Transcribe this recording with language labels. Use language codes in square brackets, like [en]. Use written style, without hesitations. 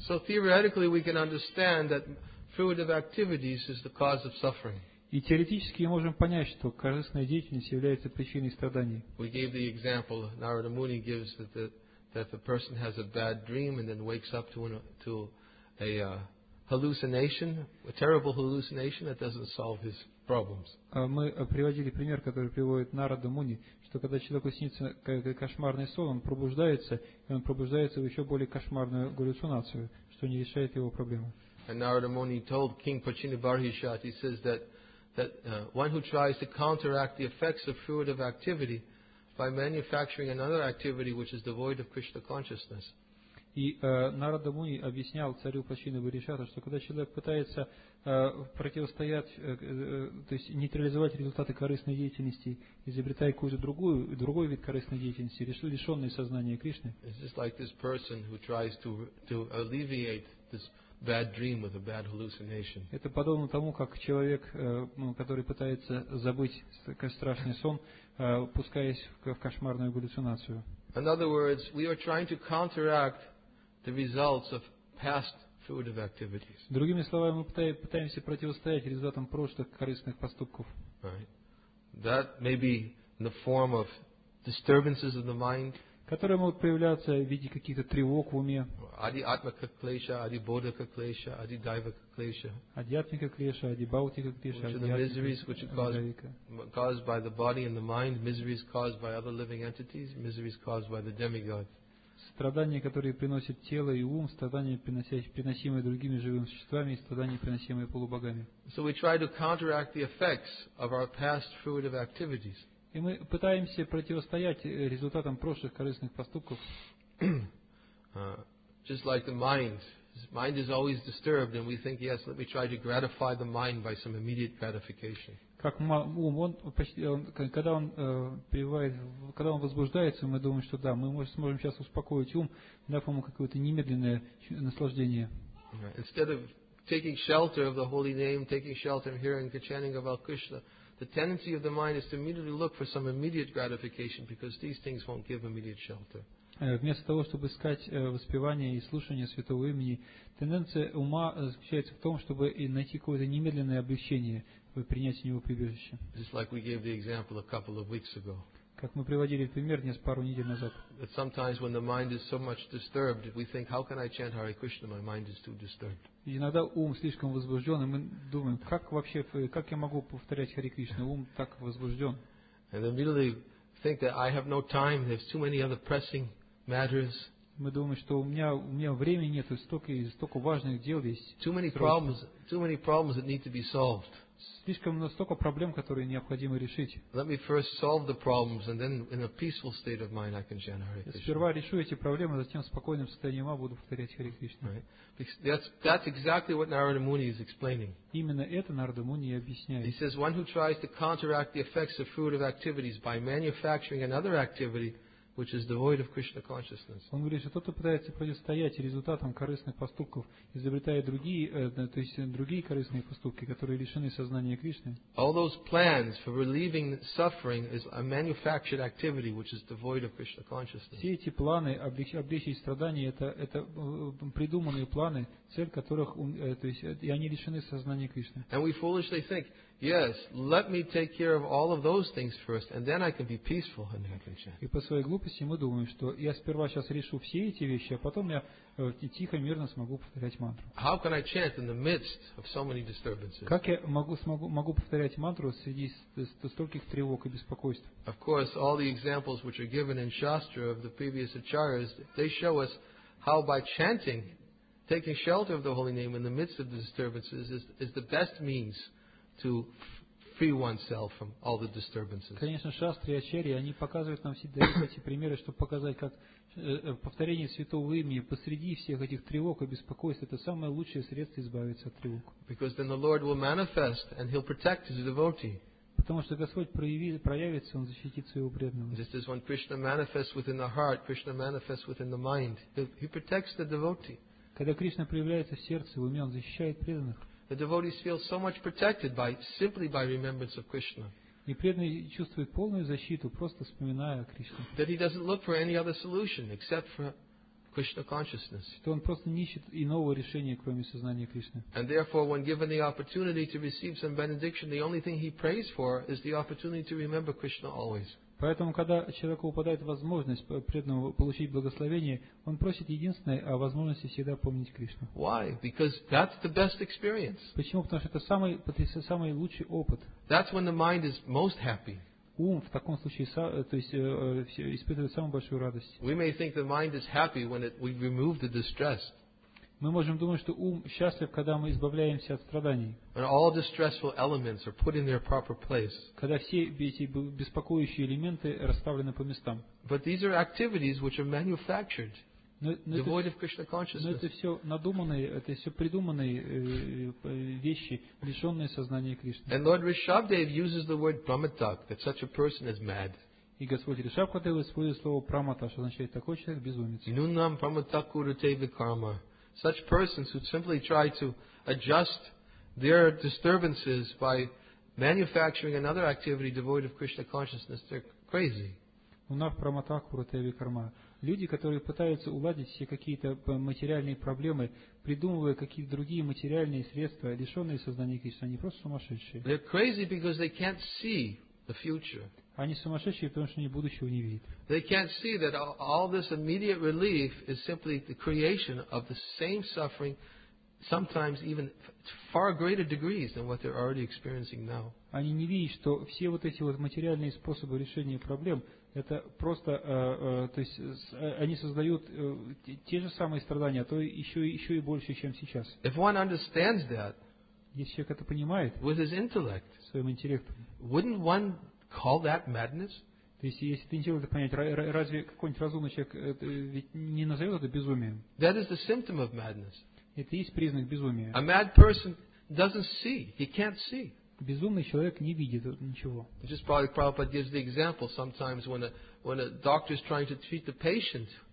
[en] So theoretically we can understand that fruitive activities is the cause of suffering. [ru] И теоретически мы можем понять, что корыстная деятельность является причиной страданий. [en] We gave the example Narada Muni gives that the person has a bad dream and then wakes up to a hallucination, a terrible hallucination that doesn't solve his problems. [ru] Мы приводили пример, который приводит Нарада Муни, что когда человеку снится кошмарный сон, он пробуждается, и он пробуждается в еще более кошмарную галлюцинацию, что не решает его проблемы. [en] And Narada Muni told King Pachinibarhishat, he says that one who tries to counteract the effects of fruitive activity by manufacturing another activity which is devoid of Krishna consciousness. [ru] И Нарада Муни объяснял царю Пачинибарихишату, что когда человек пытается противостоять, то есть нейтрализовать результаты корыстной деятельности, изобретая какую-то другой вид корыстной деятельности, лишенный сознания Кришны. [en] It's just like this person who tries to alleviate this bad dream with a bad hallucination. [ru] Это подобно тому, как человек, который пытается забыть такой страшный сон, пускаясь в кошмарную галлюцинацию. [en] In other words, we are trying to counteract the results of past fruitive activities. [ru] Другими словами, мы пытаемся противостоять результатам прошлых корыстных поступков. [en] That may be in the form of disturbances of the mind, [ru] которые могут проявляться в виде каких-то тревог в уме. [sa] Адиатмика клеша, адибодхика клеша, адидайвика клеша. Адиатмика клеша, адибаутика клеша. [en] Which are the miseries which are caused by the body and the mind, miseries caused by other living entities, miseries caused by the demigods. [ru] Страдания, которые приносят тело и ум, страдания, приносимые другими живыми существами, и страдания, приносимые полубогами. [en] So we try to counteract the effects of our past fruitive activities. [ru] И мы пытаемся противостоять результатам прошлых корыстных поступков. [en] Just like the mind. Mind is always disturbed, and we think, yes, let me try to gratify the mind by some immediate gratification. [ru] Как ум, когда он возбуждается, мы думаем, что да, мы сможем сейчас успокоить ум, дав ему какое-то немедленное наслаждение. [en] Instead of taking shelter of the holy name, taking shelter of hearing the chanting about Krishna, the tendency of the mind is to immediately look for some immediate gratification because these things won't give immediate shelter. [ru] Вместо того, чтобы искать воспевание и слушание святого имени, тенденция ума заключается в том, чтобы найти какое-то немедленное облегчение в принятии него прибежища. [en] Just like we gave the example a couple of weeks ago. [ru] Как мы приводили пример пару недель назад. [en] That sometimes when the mind is so much disturbed, we think, how can I chant Hare Krishna? My mind is too disturbed. [ru] Иногда ум слишком возбужден, и мы думаем, как я могу повторять Хари Кришну? Ум так возбужден. [en] And immediately think that I have no time, there's too many other pressing matters. [ru] Мы думаем, что у меня времени нет, столько важных дел есть. [en] Too many problems that need to be solved. [ru] Слишком столько проблем, которые необходимо решить. [en] Let me first solve the problems and then in a peaceful state of mind I can chant Hare Krishna. [ru] Сперва решу эти проблемы, затем в спокойном состоянии ума буду повторять Хари Кришна. [en] That's exactly what Narada Muni is explaining. [ru] Именно это Нарада Муни объясняет. [en] He says one who tries to counteract the effects of fruitive activities by manufacturing another activity which is devoid of Krishna consciousness. [ru] Он говорит, что тот, кто пытается противостоять результатам корыстных поступков, изобретая другие корыстные поступки, которые лишены сознания Кришны. [en] All those plans for relieving suffering is a manufactured activity which is devoid of Krishna consciousness. [ru] Все эти планы облегчить страдания это придуманные планы, цель которых, то есть, и они лишены сознания Кришны. [en] And we foolishly think, yes, let me take care of all of those things first, and then I can be peaceful and happy. [ru] И по своей глупости мы думаем, что я сперва сейчас решу все эти вещи, а потом я тихо, мирно смогу повторять мантру. [en] How can I chant in the midst of so many disturbances? [ru] Как я могу повторять мантру среди стольких тревог и беспокойств? [en] Of course, all the examples which are given in Shastra of the previous acharyas, they show us how by chanting, taking shelter of the holy name in the midst of the disturbances is the best means to free oneself from all the disturbances. [ru] Конечно, Шастры и Ачарьи, они показывают нам все эти примеры, чтобы показать, как повторение святого имени посреди всех этих тревог и беспокойств это самое лучшее средство избавиться от тревог. [en] Because then the Lord will manifest and he'll protect his devotee. [ru] Потому что Господь проявится, он защитит своего преданного. [en] Just as when Krishna manifests within the heart, Krishna manifests within the mind. He protects the devotee. [ru] Когда Кришна проявляется в сердце, в уме, он защищает преданных. [en] The devotees feel so much protected simply by remembrance of Krishna. [ru] И преданный чувствует полную защиту, просто вспоминая о Кришне. [en] That he doesn't look for any other solution except for Krishna consciousness. [ru] То он просто не ищет иного решения, кроме сознания Кришны. [en] And therefore, when given the opportunity to receive some benediction, the only thing he prays for is the opportunity to remember Krishna always. [ru] Поэтому, когда человеку упадает возможность преданному получить благословение, он просит единственное о возможности всегда помнить Кришну. [en] Why? Because that's the best experience. [ru] Почему? Потому что это самый лучший опыт. [en] That's when the mind is most happy. [ru] Ум в таком случае, то есть, испытывает самую большую радость. [en] We may think the mind is happy when we remove the distress. [ru] Мы можем думать, что ум счастлив, когда мы избавляемся от страданий. [en] When all the stressful elements are put in their proper place. [ru] Когда все эти беспокоящие элементы расставлены по местам. [en] But these are activities which are manufactured. Devoid of Krishna consciousness. [ru] Но это все надуманные, это все придуманные вещи, лишенные сознания Кришны. [en] And Lord Rishabhdev uses the word brahmatak, that such a person is mad. [ru] И Господь Ришабхадев использует слово прамата, что означает такой человек безумец. [sa] Нунам праматаку рутеви карма. [en] Such persons who simply try to adjust their disturbances by manufacturing another activity devoid of Krishna consciousness, they're crazy. [sa] Нунам праматаку рутеви карма. [ru] Люди, которые пытаются уладить все какие-то материальные проблемы, придумывая какие-то другие материальные средства, лишенные сознания Кришны, они просто сумасшедшие. [en] They're crazy because they can't see the future. [ru] Они сумасшедшие, потому что они будущего не видят. [en] They can't see that all this immediate relief is simply the creation of the same suffering, sometimes even far greater degrees than what they're already experiencing now. [ru] Они не видят, что все вот эти вот материальные способы решения проблем, это просто, то есть, они создают те же самые страдания, а то еще и больше, чем сейчас. [en] If one understands that, [ru] если человек это понимает, [en] with his intellect, [ru] своим интеллектом, [en] wouldn't one call that madness? [ru] То есть, если ты интеллект понять, разве какой-нибудь разумный человек ведь не назовет это безумием? [en] That is the symptom of madness. [ru] Это и есть признак безумия. [en] A mad person doesn't see. He can't see. [ru] Безумный человек не видит ничего. [en] Just probably Prabhupada gives the example sometimes when a doctor is trying to treat the patient.